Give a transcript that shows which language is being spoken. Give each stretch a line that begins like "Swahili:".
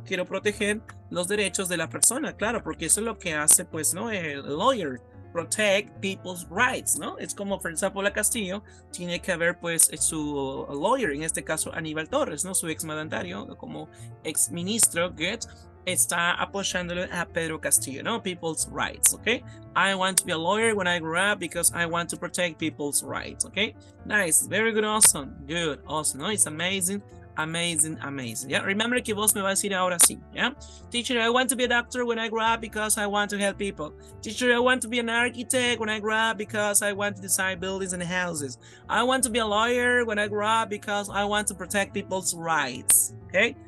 Spanish: Quiero proteger los derechos de la persona, claro, porque eso es lo que hace, pues, ¿no? El lawyer.
English: Protect people's rights,
Spanish: ¿no? Es como, por ejemplo, la Castillo tiene que haber, pues, su lawyer, en este caso, Aníbal Torres, ¿no? Su ex mandatario, como ex ministro, good, está apoyándole a Pedro Castillo, ¿no?
English: People's rights, ¿ok? I want to be a lawyer when I grow up because I want to protect people's rights, ¿ok? Nice, very good, awesome, good, awesome, ¿no? It's amazing, amazing, amazing, ¿yeah?
Spanish: Remember que vos me vas a decir ahora sí, ¿yeah?
English: Teacher, I want to be a doctor when I grow up because I want to help people. Teacher, I want to be an architect when I grow up because I want to design buildings and houses. I want to be a lawyer when I grow up because I want to protect people's rights, ¿okay?